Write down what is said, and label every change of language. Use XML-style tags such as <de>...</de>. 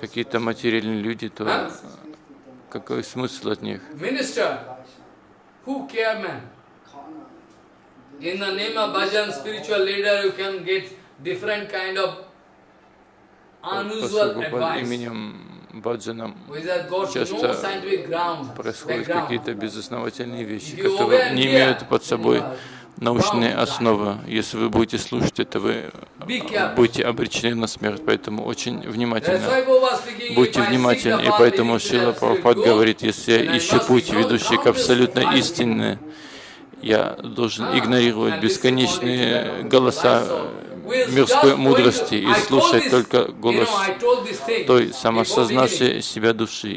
<ru>Какие-то материальные люди, то какой смысл от них?</ru> <en>Minister? Who care man? In the name of bhajan spiritual leader, you can get different kind of unusual advice.</en> <ru>Баджанам часто происходят какие-то безосновательные вещи, которые не имеют под собой научные основы. Если вы будете слушать это, вы будете обречены на смерть, поэтому очень внимательно. Будьте внимательны, и поэтому Шрила Прабхупад говорит, если я ищу путь, ведущий к абсолютно истине, я должен игнорировать бесконечные голоса мирской мудрости и слушать только голос той самосознавшей себя души.</ru>